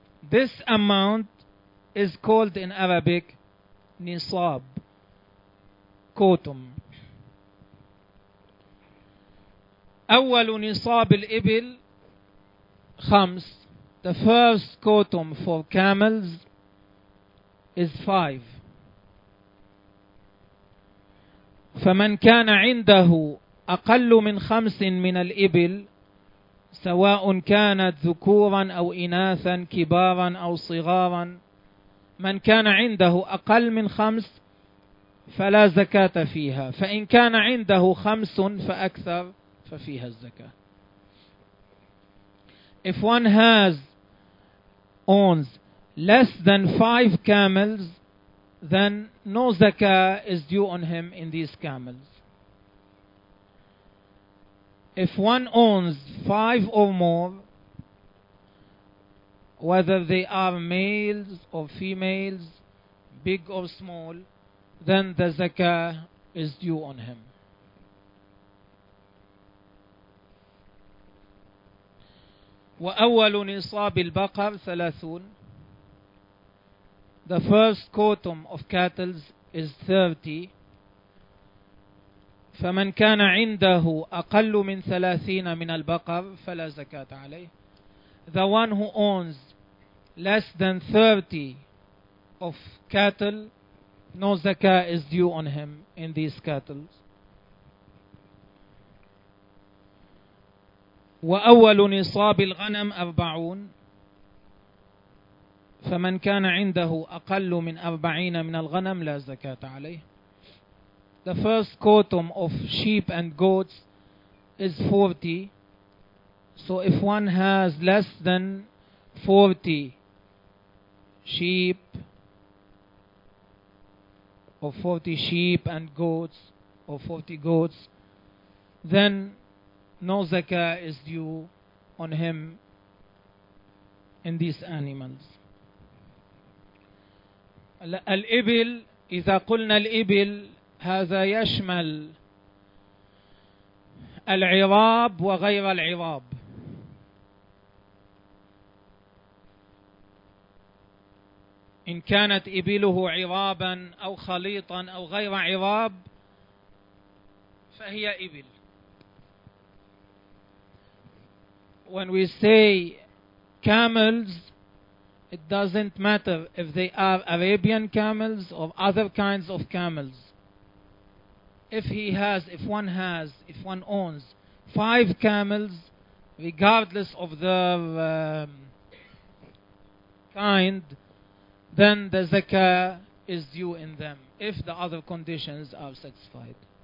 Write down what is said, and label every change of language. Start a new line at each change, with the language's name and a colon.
English: This amount is called in Arabic nisab, quotum.
Arabic: أول نصاب الإبل خمس.
English: The first quotum for camels is five.
Arabic: فمن كان عنده أقل من خمس من الإبل سواء كانت ذكورا أو إناثا كبارا أو صغارا, من كان عنده أقل من خمس فلا زكاة فيها, فإن كان عنده خمس فأكثر ففيها الزكاة.
English: If one has owns less than five camels, then no zakah is due on him in these camels. If one owns five or more, whether they are males or females, big or small, then the zakah is due on him.
Arabic: وأول نصاب البقر ثلاثون.
English: The first quotum of cattle is 30.
Arabic: فمن كان عنده أقل من ثلاثين من البقر فلا زكاة عليه.
English: The one who owns less than 30 of cattle, no zakah is due on him in these cattle.
Arabic: وأول نصاب الغنم أربعون. فمن كان عنده أقل من أربعين من الغنم لا زكاة عليه.
English: The first quotum of sheep and goats is 40. So if one has less than 40 sheep or 40 sheep and goats or 40 goats, then no zakah is due on him in these animals.
Arabic: الإبل إذا قلنا الإبل هذا يشمل العراب وغير العراب. إن كانت إبله عرابا أو خليطا أو غير عراب فهي إبل.
English: When we say camels, it doesn't matter if they are Arabian camels or other kinds of camels. If one owns 5 camels, regardless of their kind, then the zakah is due in them, if the other conditions are satisfied.